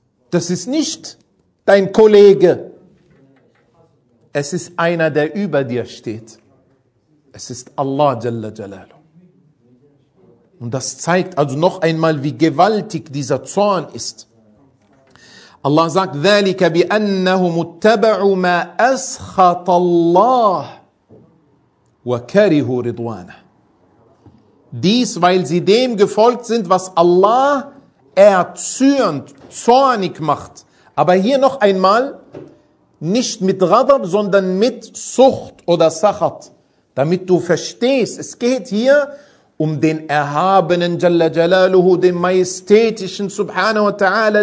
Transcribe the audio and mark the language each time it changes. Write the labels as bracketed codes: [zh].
[de] Das ist nicht dein Kollege. Es ist einer, der über dir steht. Es ist Allah Jalla Jalalu. Und das zeigt also noch einmal, wie gewaltig dieser Zorn ist. Allah sagt, [ar] ذَلِكَ بِأَنَّهُمُ اتَّبَعُوا مَا أَسْخَطَ اللَّهُ وَكَرِهُ رِضْوَانَهُ. [de] Dies, weil sie dem gefolgt sind, was Allah erzürnt, zornig macht. Aber hier noch einmal, nicht mit Ghadab, sondern mit Sucht oder Sakhat. Damit du verstehst, es geht hier um den Erhabenen Jalla Jalaluhu, den Majestätischen Subhanahu wa Ta'ala.